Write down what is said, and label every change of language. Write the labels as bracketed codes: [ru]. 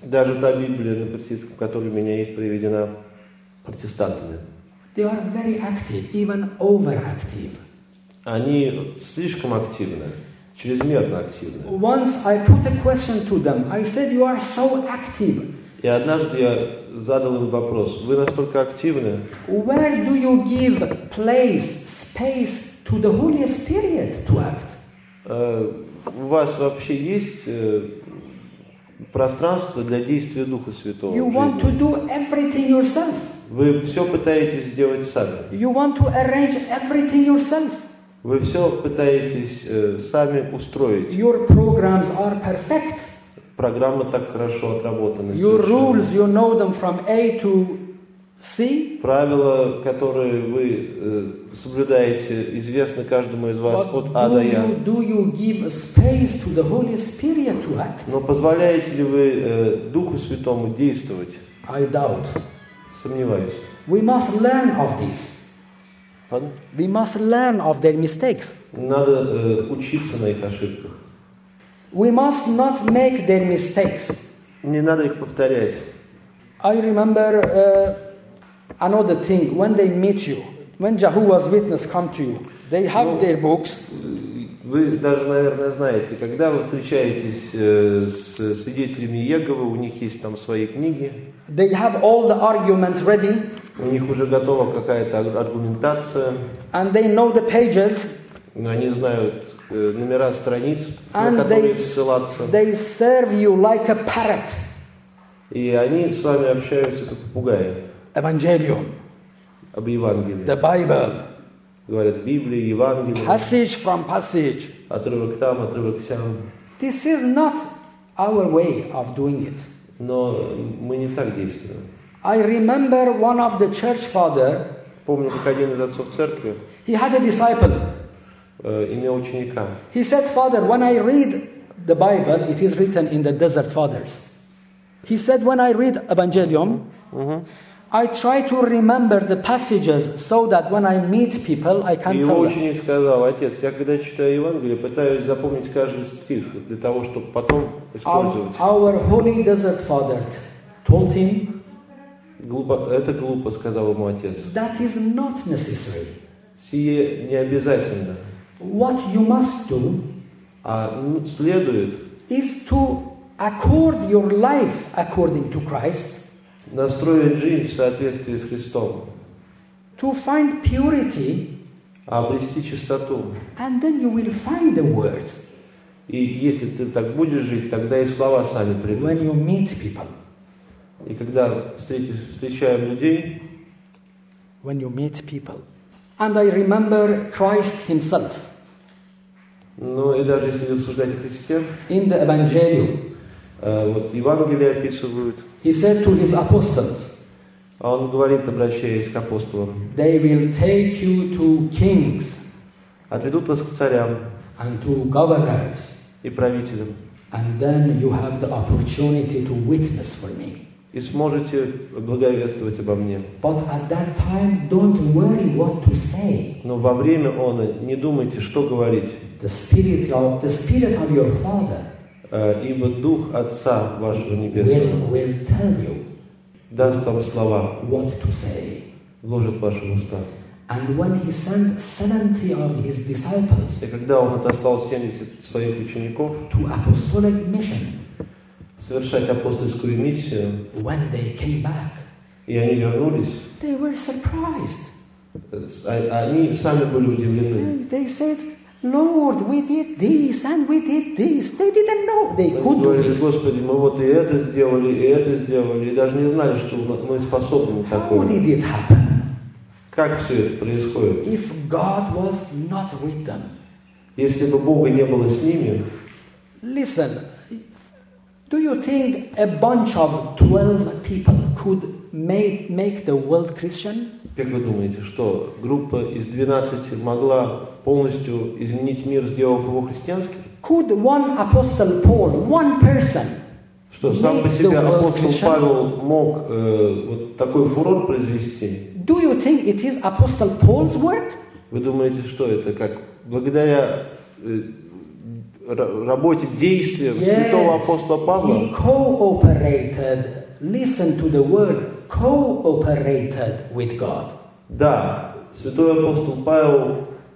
[ru] Даже та Библия на персидском, которая у меня есть, переведена протестантами. [en] They are very active, even overactive. [ru] Они слишком активны, чрезмерно активны. [en] Once I put a question to them. I said, "You are so active." [ru] И однажды я задал им вопрос: вы настолько активны? [en] Where do you give place, space to the Holy Spirit to act? [ru] У вас вообще есть пространство для действия Духа Святого? [en] You want to do everything yourself. [ru] Вы все пытаетесь сделать сами. [en] You want to arrange everything yourself. [ru] Вы все пытаетесь сами устроить. [en] Your programs are perfect. [ru] Программа так хорошо отработана. [en] Your rules, you know them from A to C. [ru] Правила, которые вы соблюдаете, известны каждому из вас [en] But [ru] от А до Я. [en] Do you give space to the Holy Spirit to act? [ru] Но позволяете ли вы Духу Святому действовать? [en] I doubt. [ru] Сомневаюсь. [en] We must learn of this. Pardon? We must learn of their mistakes. [ru] Надо учиться на их ошибках. [en] We must not make their mistakes. [ru] Не надо их повторять. [en] I remember another thing. When they meet you, when Jehovah's Witness come to you, they have their books. [ru] Вы даже, наверное, знаете, когда вы встречаетесь с свидетелями Иеговы, у них есть там свои книги. [en] They have all the arguments ready. [ru] У них уже готова какая-то аргументация. [en] And they know the pages. [ru] Они знают номера страниц, [en] and [ru] на которые ссылаться. [en] They serve you like a parrot. [ru] И они с вами общаются как попугаи. [en] Evangelium. [ru] Об Евангелии. [en] The Bible. [ru] Говорят Библии, Евангелие. [en] Passage from passage. [ru] Отрывок там, отрывок сям. [en] This is not our way of doing it. [ru] Но мы не так действуем. [en] I remember one of the church father. [ru] Помню, как один из отцов церкви. [en] He had a disciple. [ru] Имел ученика. [en] He said, "Father, when I read the Bible, it is written in the Desert Fathers." He said, "When I read Evangelium." I try to remember the passages so that when I meet people, I can tell. [ru] И ученик сказал: отец, я когда читаю Евангелие, пытаюсь запомнить каждый стих для того, чтобы потом использовать. [en] Our holy desert father told him. [ru] Это глупо, сказал ему отец. [en] That is not necessary. [ru] Сие не обязательно. [en] What you must do. [ru] А следует. [en] Is to accord your life according to Christ. [ru] Настроить жизнь в соответствии с Христом. [en] To find purity, [ru] обрести чистоту. [en] And then you will find the words. [ru] И если ты так будешь жить, тогда и слова сами придут. [en] When you meet people. [ru] И когда встречаем людей. [en] When you meet people. And I remember Christ himself. [ru] Ну и даже если рассуждать о Христе. [en] In the Evangelium. [ru] Вот Евангелие описывают. [en] He said to his apostles. [ru] Он говорит, обращаясь к апостолам. [en] They will take you to kings. [ru] Отведут вас к царям. [en] And to governors. [ru] И правителям. [en] And then you have the opportunity to witness for me. [ru] И сможете благовествовать обо мне. [en] But at that time, don't worry what to say. [ru] Но во время оно не думайте, что говорить. [en] The spirit of your father. [ru] Ибо дух отца вашего небесного. [en] Will tell you. [ru] Даст вам слова. [en] What to say. [ru] Вложит в ваши уста. [en] And when he sent 70 of his disciples. [ru] И когда он отослал 70 своих учеников. [en] To apostolic mission. [ru] Совершать апостольскую миссию. [en] When they came back. [ru] И они вернулись. [en] They were surprised. [ru] Они сами были удивлены. [en] They said, Lord, we did this and we did this. They didn't know they could do this. [ru] Господи, мы вот и это сделали, и даже не знали, что мы способны на такое. [en] How did it happen? [ru] Как все это происходит? [en] If God was not with them. [ru] Если бы Бога не было с ними. [en] Listen. Do you think a bunch of 12 people could make the world Christian? [ru] Как вы думаете, что группа из 12 могла полностью изменить мир, сделав его христианским? [en] Could one apostle Paul, one person? [ru] Что сам по себе апостол Павел мог вот такой фурор произвести? [en] Do you think it is apostle Paul's work? [ru] Вы думаете, что это как благодаря работе, действия [en] yes. [ru] святого апостола Павла. [en] He cooperated. Listen to the word. Cooperated with God. [ru] Да, святой апостол Павел.